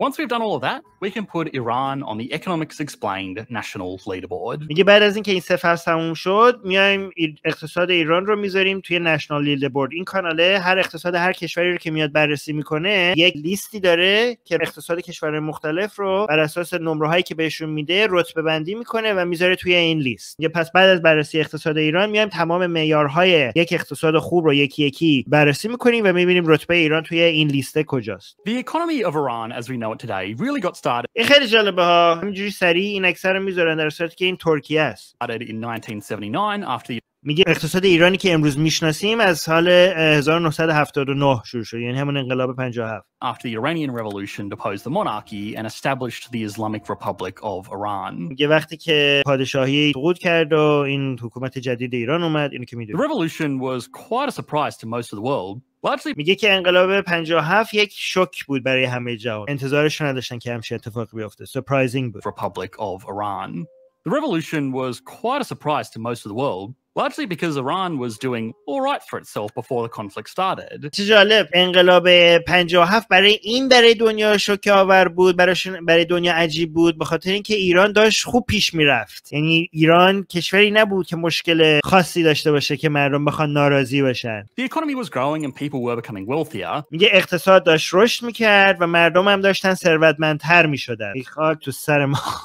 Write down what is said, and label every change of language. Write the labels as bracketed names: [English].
[English] Once we've done all of that, we can put Iran on the Economics Explained national leaderboard. [Persian] میگه بعد از اینکه این سفر تموم شد، میایم اقتصاد ایران رو میذاریم توی نشنال لیلد بورد. این کاناله هر اقتصاد هر کشوری رو که میاد بررسی میکنه یک لیستی داره که اقتصاد کشورهای مختلف رو بر اساس نمره‌هایی که بهشون میده رتبه بندی میکنه و میذاره توی این لیست. یه پس بعد از بررسی اقتصاد ایران میایم تمام معیارهای یک اقتصاد خوب رو یکی یکی بررسی میکنیم و میبینیم رتبه ایران توی این لیست کجاست. [English] The economy of Iran as we know it today really got started. [Persian] خیلی جالبه ها. همینجوری سری این اکثر رو میذارن در صورتی که این ترکیه است. [English] In 1979 after the [Persian] میگه اقتصاد ایرانی که امروز میشناسیم از سال 1979 شروع شد، یعنی همون انقلاب 57. [English] After the Iranian Revolution deposed the monarchy and established the Islamic Republic of Iran. [Persian] یه وقتی که پادشاهی سقوط کرد و این حکومت جدید ایران اومد، اینو که میدونید. [English] The revolution was quite a surprise to most of the world. [Persian] میگه که انقلاب 57 یک شوک بود برای همه جهان. انتظارش نداشتن که همچین اتفاقی بیفته. Surprising بود. [English] Republic of Iran. The revolution was quite a surprise to most of the world. Largely because Iran was doing all right for itself before the conflict started. [Persian] چه جالب، انقلاب 57 برای این برای دنیا شوکه آور بود، برای دنیا عجیب بود، به خاطر اینکه ایران داشت خوب پیش میرفت. یعنی ایران کشوری نبود که مشکل خاصی داشته باشه که مردم بخوان ناراضی باشن. [English] The economy was growing and people were becoming wealthier. [Persian] میگه اقتصاد داشت رشد میکرد و مردم هم داشتن ثروتمندتر میشدن. خاک تو سر ما.